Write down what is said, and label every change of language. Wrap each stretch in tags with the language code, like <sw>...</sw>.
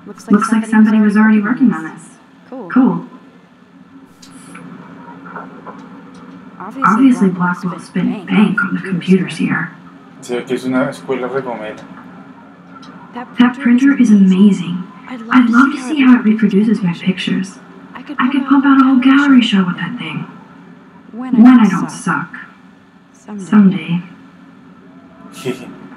<en>Looks like somebody was already working on this. Cool. Obviously Blackwell spent bank on the computers here.</en> <es>Se ve que es una escuela recomeda.</es> <en>That printer is amazing. I'd love to see how it reproduces my pictures. I could pump out a whole gallery show with that thing. When I don't suck. Someday. Jeje.</en>